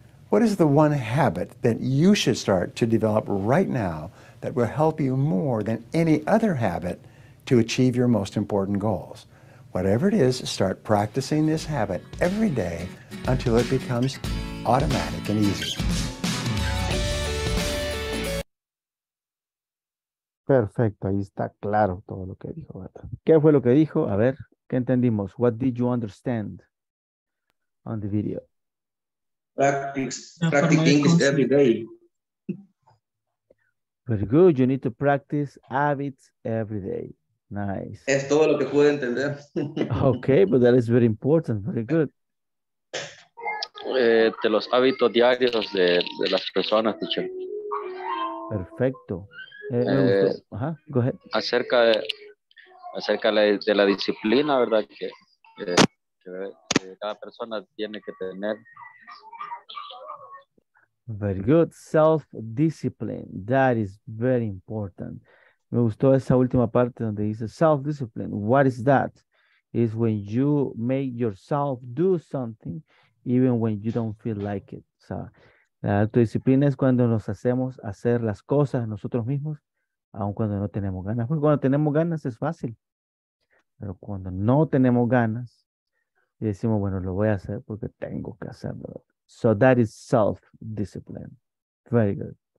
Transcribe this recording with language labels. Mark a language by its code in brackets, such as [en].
[en] What is the one habit that you should start to develop right now that will help you more than any other habit to achieve your most important goals? Whatever it is, start practicing this habit every day until it becomes automatic and easy. [es] Perfecto, ahí está claro todo lo que dijo. ¿Qué fue lo que dijo? A ver, ¿qué entendimos? [en] What did you understand on the video? Practice English every day. Very good. You need to practice habits every day. Nice. [es] Es todo lo que pude entender. [en] Okay, but that is very important. Very good. [es] De los hábitos diarios de las personas, teacher. Perfecto. Ajá, [en] go ahead. [es] Acerca de la disciplina, ¿verdad? Que cada persona tiene que tener. [en] Very good. Self-discipline. That is very important. [es] Me gustó esa última parte donde dice self-discipline. [en] What is that? It's when you make yourself do something even when you don't feel like it. [es] So, la autodisciplina es cuando nos hacemos hacer las cosas nosotros mismos aun cuando no tenemos ganas. Porque cuando tenemos ganas es fácil. Pero cuando no tenemos ganas y decimos, bueno, lo voy a hacer porque tengo que hacerlo. [en] So that is self-discipline. Very good.